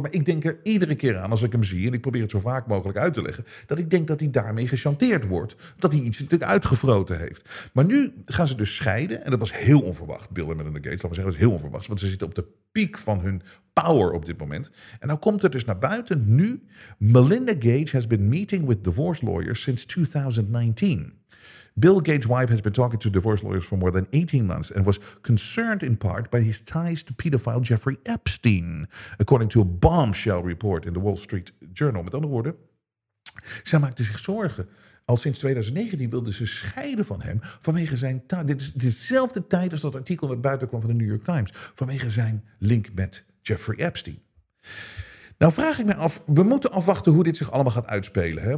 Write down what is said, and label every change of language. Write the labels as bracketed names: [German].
[Dutch] Maar ik denk er iedere keer aan als ik hem zie, en ik probeer het zo vaak mogelijk uit te leggen, dat ik denk dat hij daarmee gechanteerd wordt. Dat hij iets natuurlijk uitgefroten heeft. Maar nu gaan ze dus scheiden. En dat was heel onverwacht, Bill en Melinda Gates. Laten we zeggen, dat is heel onverwacht. Want ze zitten op de piek van hun power op dit moment. En nou komt het dus naar buiten nu. [English] Melinda Gates has been meeting with divorce lawyers since 2019. Bill Gates' wife has been talking to divorce lawyers for more than 18 months and was concerned in part by his ties to pedophile Jeffrey Epstein, according to a bombshell report in the Wall Street Journal. [Dutch] Met andere woorden, zij maakte zich zorgen. Al sinds 2019 wilde ze scheiden van hem vanwege zijn dit is dezelfde tijd als dat artikel naar buiten kwam van de New York Times, vanwege zijn link met Jeffrey Epstein. Nou vraag ik me af, we moeten afwachten hoe dit zich allemaal gaat uitspelen. Hè?